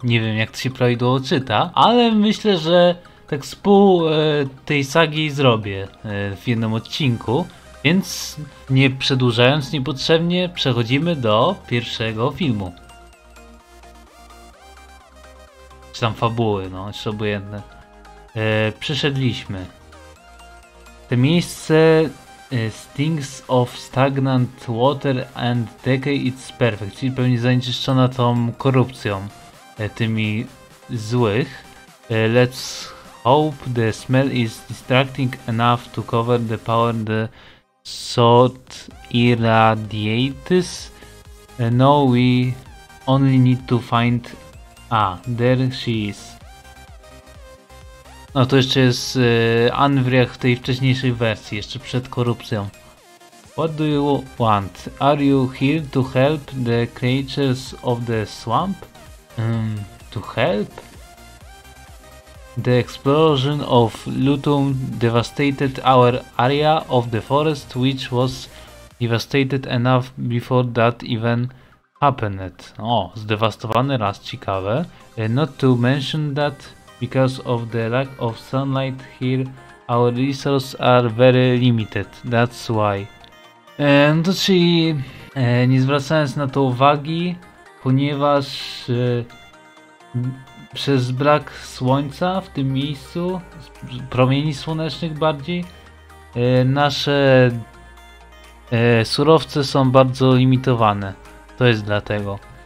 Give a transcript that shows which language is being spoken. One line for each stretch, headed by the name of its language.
Polish: Nie wiem, jak to się prawidłowo czyta, ale myślę, że tak z pół tej sagi zrobię w jednym odcinku. Więc nie przedłużając niepotrzebnie, przechodzimy do pierwszego filmu. Czy tam fabuły, no, jeszcze obojętne. Przyszedliśmy. To miejsce.
English: Stinks of stagnant water and decay, it's perfect.
Polish: Czyli pewnie zanieczyszczona tą korupcją, tymi złych.
English: Let's hope the smell is distracting enough to cover the power the sword irradiates. No, we only need to find. A, there she is.
Polish: No to jeszcze jest Anvriach w tej wcześniejszej wersji, jeszcze przed korupcją.
English: What do you want? Are you here to help the creatures of the swamp? To help? The explosion of Lutum devastated our area of the forest, which was devastated enough before that even happened.
Polish: O, zdewastowany raz, ciekawe.
English: Not to mention that because of the lack of sunlight here, our resources are very limited. That's why.
Polish: No to czyli nie zwracając na to uwagi, ponieważ przez brak słońca w tym miejscu, promieni słonecznych bardziej, nasze surowce są bardzo limitowane. To jest dlatego.